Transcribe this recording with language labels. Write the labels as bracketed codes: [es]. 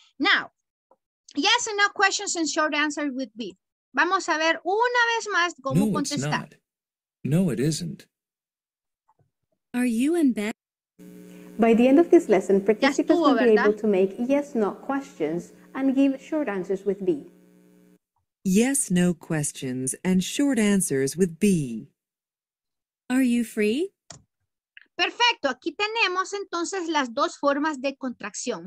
[en] Now, yes and no questions and short answers with B. [es] Vamos a ver una vez más cómo no, contestar. [en] No, it's not. No, it isn't. Are you in bed? By the end of this lesson, participants will be able to make yes, no questions and give short answers with B. Yes, no questions and short answers with B. Are you free? [es] Perfecto. Aquí tenemos entonces las dos formas de contracción.